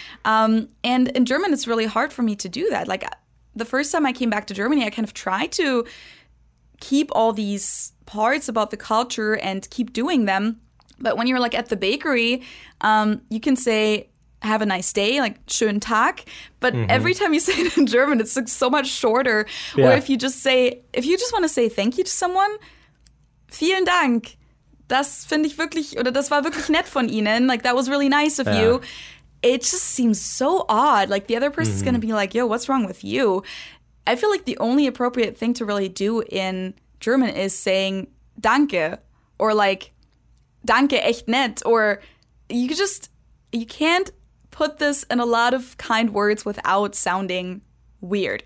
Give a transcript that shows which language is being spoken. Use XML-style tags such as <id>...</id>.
<en>And in German, it's really hard for me to do that. Like the first time I came back to Germany, I kind of tried to keep all these parts about the culture and keep doing them. But when you're like at the bakery, you can say, have a nice day, like</en> <de>schönen Tag.</de> <en>But mm-hmm. every time you say it in German, it's like so much shorter. Yeah. Or if you just want to say thank you to someone,</en> <de>vielen Dank. Das finde ich wirklich, oder das war wirklich nett von Ihnen.</de> <en>Like, that was really nice of yeah. you. It just seems so odd. Like, the other person's mm-hmm. going to be like, yo, what's wrong with you? I feel like the only appropriate thing to really do in German is saying danke or like</en> <de>danke echt nett,</de> <en>or you can't put this in a lot of kind words without sounding weird.</en>